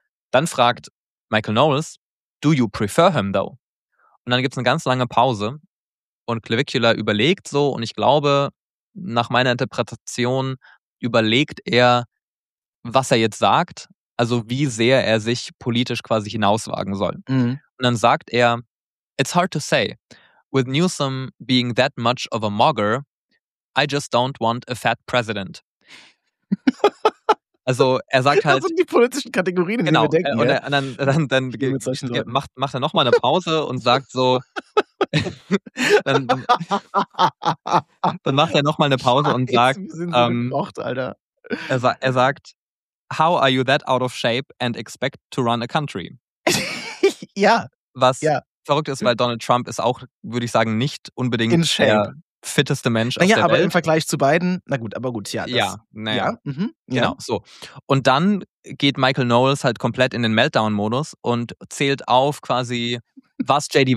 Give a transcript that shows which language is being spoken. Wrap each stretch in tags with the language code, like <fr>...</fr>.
<de>Dann fragt</de> <en>Michael Knowles, do you prefer him though?</en> <de>Und dann gibt es eine ganz lange Pause und Clavicula überlegt so und ich glaube, nach meiner Interpretation überlegt er, was er jetzt sagt, also wie sehr er sich politisch quasi hinauswagen soll. Und dann sagt er,</de> <en>it's hard to say, with Newsom being that much of a mogger, I just don't want a fat president.</en> <de>Also er sagt halt... Das sind die politischen Kategorien, die wir denken. Und, ja. dann macht er nochmal eine Pause und sagt so... dann macht er nochmal eine Pause und sagt... Wir sind so gemocht, Alter. Er sagt,</de> <en>how are you that out of shape and expect to run a country?</en> <de>Ja. Was verrückt ist, weil Donald Trump ist auch, würde ich sagen, nicht unbedingt...</de> <en>In shape.</en> <de>Der fitteste Mensch auf der Welt. Aber im Vergleich zu beiden, ja. Das, ja, naja. Genau, so. Und dann geht Michael Knowles halt komplett in den Meltdown-Modus und zählt auf quasi, was J.D.</de>